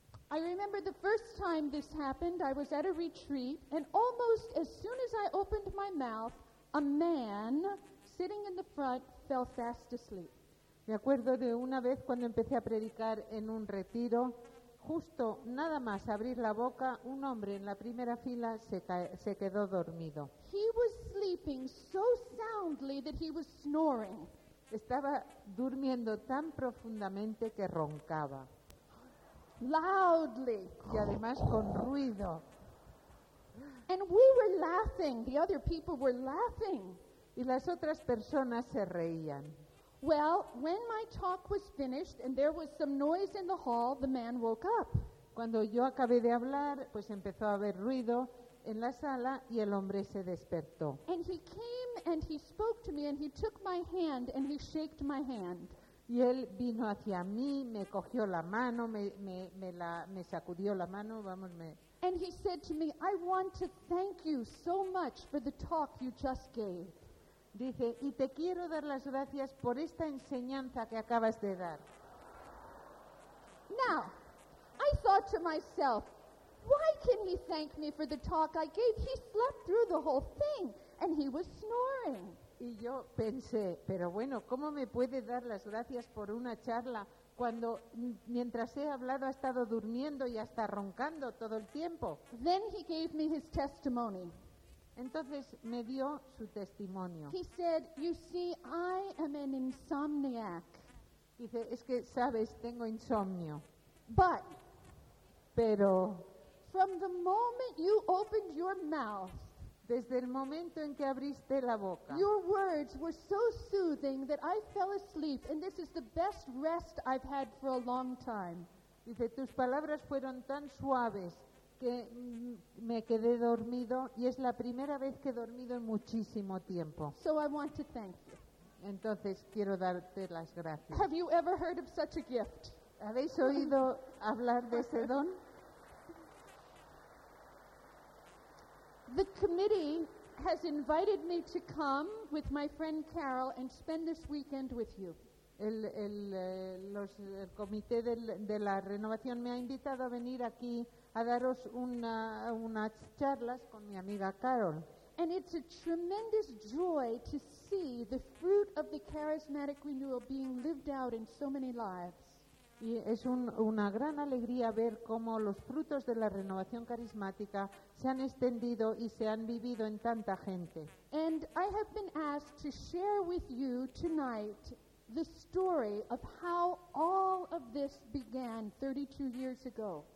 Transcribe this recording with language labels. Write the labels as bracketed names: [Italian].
[English] I remember the first time this happened, I was at a retreat, and almost as soon as I opened my mouth, a man sitting in the front fell fast asleep. [Spanish] Me acuerdo de una vez cuando empecé a predicar en un retiro, justo nada más abrir la boca, un hombre en la primera fila se quedó dormido. [English] He was sleeping so soundly that he was snoring. [Spanish] Estaba durmiendo tan profundamente que roncaba. [English] Loudly. [Spanish] Y además con ruido. [English] And we were laughing. The other people were laughing. [Spanish] Y las otras personas se reían. [English] Well, when my talk was finished and there was some noise in the hall, the man woke up. [Spanish] Cuando yo acabé de hablar, pues empezó a haber ruido en la sala y el hombre se despertó. [English] And he came and he spoke to me and he took my hand and he shaked my hand. [Spanish] Y él vino hacia mí, me cogió la mano, me sacudió la mano, vamos, me... [English] And he said to me, I want to thank you so much for the talk you just gave. [Spanish] Dice, y te quiero dar las gracias por esta enseñanza que acabas de dar. [English] Now, I thought to myself, why can he thank me for the talk I gave? He slept through the whole thing and he was snoring. [Spanish] Y yo pensé, pero bueno, ¿cómo me puede dar las gracias por una charla cuando mientras he hablado ha estado durmiendo y hasta roncando todo el tiempo? [English] Then he gave me his testimony. [Spanish] Entonces me dio su testimonio. [English] He said, you see, I am an insomniac. [Spanish] Dice, es que sabes, tengo insomnio. [English] But, [Spanish] pero, [English] from the moment you opened your mouth, [Spanish] desde el momento en que abriste la boca, [English] your words were so soothing that I fell asleep, and this is the best rest I've had for a long time. [Spanish] Dice, tus palabras fueron tan suaves que me quedé dormido y es la primera vez que he dormido en muchísimo tiempo. [English] So I want to thank you. [Spanish] Entonces quiero darte las gracias. [English] Have you ever heard of such a gift? [Spanish] ¿Habéis oído hablar de ese don? [English] The committee has invited me to come with my friend Carol and spend this weekend with you. [Spanish] El comité de la renovación me ha invitado a venir aquí a daros unas charlas con mi amiga Carol. [English] And it's a tremendous joy to see the fruit of the charismatic renewal being lived out in so many lives. [Spanish] Y es una gran alegría ver cómo los frutos de la renovación carismática se han extendido y se han vivido en tanta gente. [English] And I have been asked to share with you tonight the story of how all of this began 32 years ago.